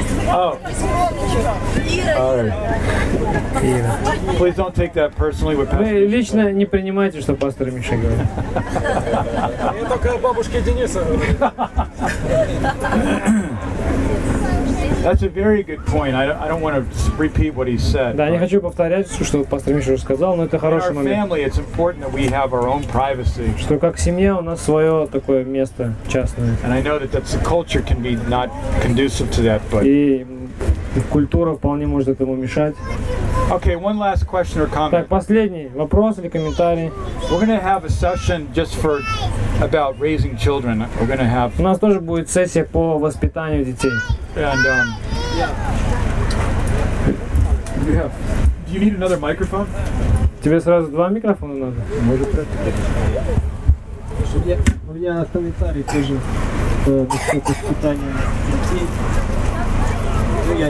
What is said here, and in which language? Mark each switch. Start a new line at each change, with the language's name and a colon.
English: Oh. All right. Yeah. Please don't take that personally.
Russian: Вы лично не принимайте, что пастор Миша говорит. Я только бабушке Дениса.
English: That's a very good point. I don't want to repeat what he said.
Russian: Да, не хочу повторять все, что пастор Миша уже сказал, но это хороший момент.
English: In our family, it's important that we have our own privacy.
Russian: Что как семья у нас свое такое место частное.
English: And I know that that's the culture can be not conducive to that, but.
Russian: И культура вполне может этому мешать.
English: Okay, one last question or comment.
Russian: Так, последний вопрос или комментарий.
English: We're going to have a session just for about raising children. We're going to have.
Russian: У нас тоже будет сессия по воспитанию детей.
English: And Do you need another microphone?
Russian: Тебе сразу два микрофона надо? Может, у меня комментарий тоже по воспитанию детей.